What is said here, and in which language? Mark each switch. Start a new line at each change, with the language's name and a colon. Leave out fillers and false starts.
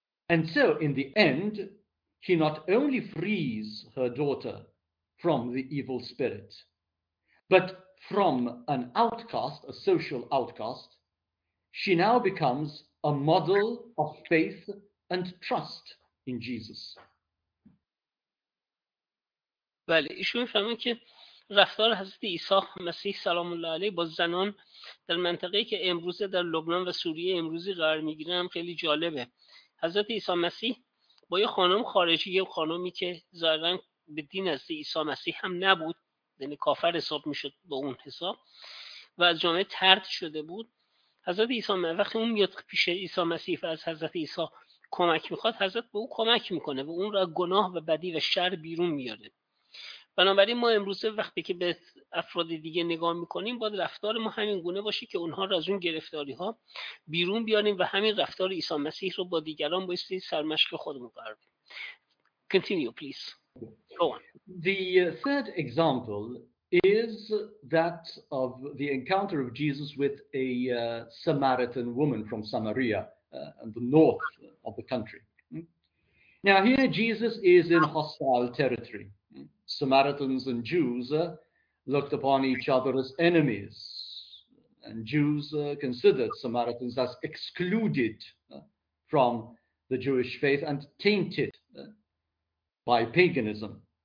English: And so in the end, he not only frees her daughter from the evil spirit, but from an outcast, a social outcast, she now becomes a model of faith and trust in Jesus.
Persian: بله، ایشون میفرمایند که رفتار حضرت عیسی مسیح سلام الله علیه با زنان در منطقه‌ای که امروزه در لبنان و سوریه امروزی قرار میگیرن خیلی جالبه. حضرت عیسی مسیح با یه خانم خارجی، یه خانمی که ظاهرا به دین از عیسی مسیح هم نبود، یعنی کافر حساب میشد به اون حساب و از جامعه طرد شده بود، حضرت عیسی مسیح وقتی اون میاد پیش عیسی مسیح و از حضرت عیسی کمک میخواد، حضرت به اون کمک میکنه و اون را گناه و بدی و شر بیرون میاره. بنابراین ما امروزه وقتی که به افراد دیگه نگاه میکنیم باید رفتار ما همین گونه باشه که اونها را از اون گرفتاری ها بیرون بیاریم و همین رفتار عیسی مسیح رو با دیگران بایستی سرمشق خودمون قرار بدیم.
English: Continue please. Go on. The third example is that of the encounter of Jesus with a Samaritan woman from Samaria in the north of the country. Now here Jesus is in hostile territory. Samaritans and Jews looked upon each other as enemies, and Jews considered Samaritans as excluded from the Jewish faith and tainted by paganism.